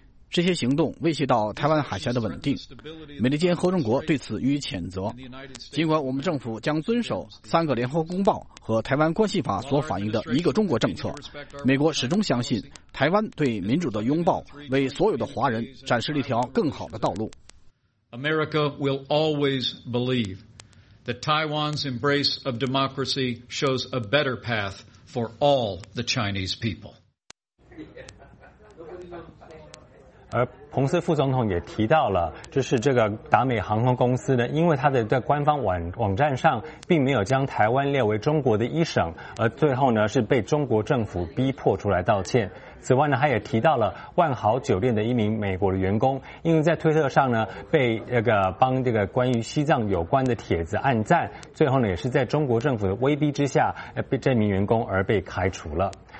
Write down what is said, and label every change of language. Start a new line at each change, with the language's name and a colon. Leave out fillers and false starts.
Chinese: 这些行动威胁到台湾海峡的稳定，美利坚合众国对此予以谴责。尽管我们政府将遵守3个联合公报和台湾关系法所反映的一个中国政策，美国始终相信台湾对民主的拥抱为所有的华人展示了一条更好的道路。
English: America will always believe. That Taiwan's embrace of democracy shows a better path for all the Chinese people.
Chinese: 而彭斯副总统也提到了，就是这个达美航空公司呢，因为它的在官方网站上并没有将台湾列为中国的一省，而最后呢是被中国政府逼迫出来道歉。此外呢，他也提到了万豪酒店的一名美国的员工，因为在推特上呢被那个帮这个关于西藏有关的帖子按赞，最后呢也是在中国政府的威逼之下，被这名员工而被开除了。